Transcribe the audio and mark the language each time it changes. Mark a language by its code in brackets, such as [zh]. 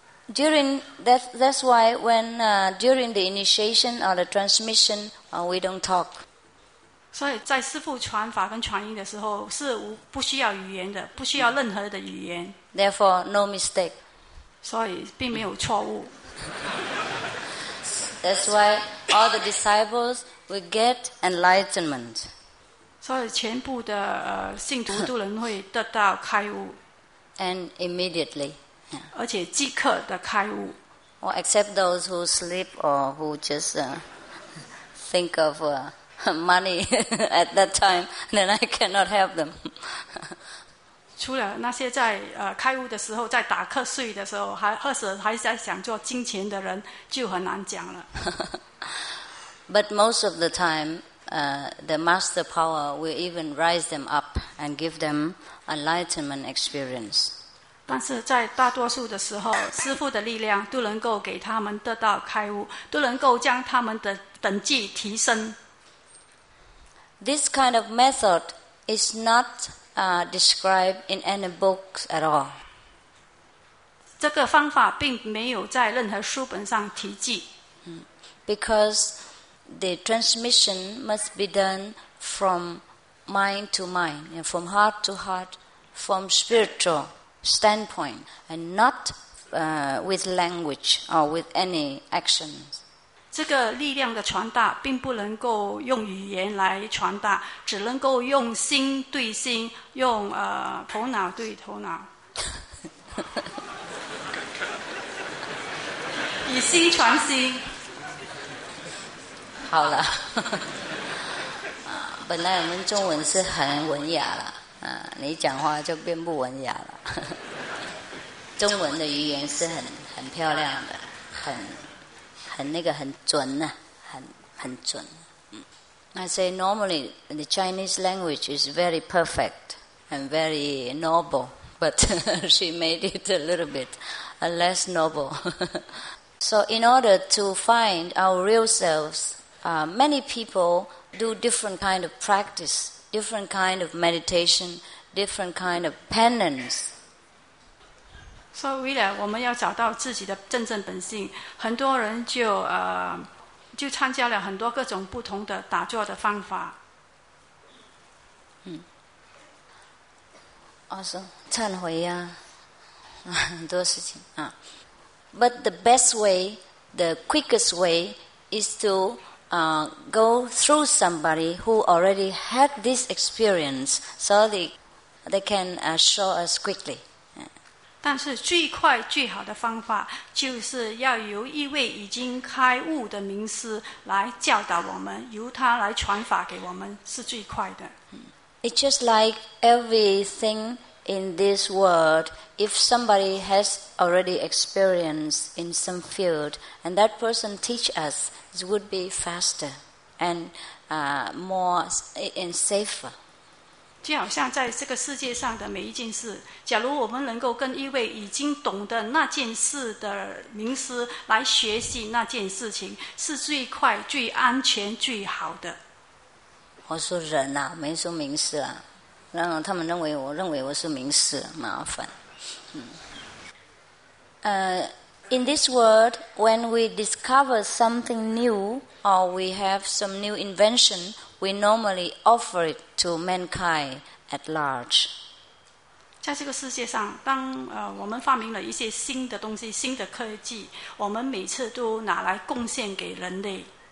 [en] During that's why when during the initiation or the transmission, we don't talk. [zh] 所以在师父传法跟传音的时候是不需要语言的，不需要任何的语言。 [en] Therefore, no mistake. [zh] 所以并没有错误。 [en] That's why all the disciples will get enlightenment. [zh] 所以全部的信徒都能会得到开悟。 [en] And immediately. [zh] 而且即刻的开悟。 [en] Or except those who sleep or who just think of money at that time, then I cannot help them. [zh] 除了那些在开悟的时候，在打瞌睡的时候，还或者还在想做金钱的人，就很难讲了。 [en] But most of the time, the master power will even rise them up and give them enlightenment experience. [zh] 但是在大多数的时候，师父的力量都能够给他们得到开悟，都能够将他们的等级提升。 [en] This kind of method is not described in any books at all. [zh] 这个方法并没有在任何书本上提及。 [en] Because the transmission must be done from mind to mind, and from heart to heart, from spiritual standpoint, and not with language or with any actions. [zh] 这个力量的传达并不能够用语言来传达，只能够用心对心，用头脑对头脑，以心传心。好了，本来我们中文是很文雅了，你讲话就变不文雅了。中文的语言是很漂亮的，很那个很准呢、啊，很准。 [en] I say normally the Chinese language is very perfect and very noble, but she made it a little bit less noble. So in order to find our real selves, many people do different kind of practice, different kind of meditation, different kind of penance. [zh] 所以为了我们要找到自己的真正本性，很多人就参加了很多各种不同的打坐的方法。 [en] Awesome. [zh] 忏悔呀、啊，很多事情啊。 [en] But the best way, the quickest way, is to go through somebody who already had this experience, so they can show us quickly. [zh] 但是最快最好的方法就是要由一位已经开悟的名师来教导我们，由他来传法给我们是最快的。 [en] It's just like everything in this world, if somebody has already experience in some field and that person teach us, it would be faster and more and safer. [zh] 就好像在这个世界上的每一件事，假如我们能够跟一位已经懂得那件事的名师来学习那件事情，是最快、最安全、最好的。我说人啊，没说名师啊，让他们认为我认为我是名师，麻烦。 [en] In this world, when we discover something new or we have some new invention. We normally offer it to mankind at large. [zh] 在这个世界上，当我们发明了一些新的东西、新的科技，我们每次都拿来贡献给人类。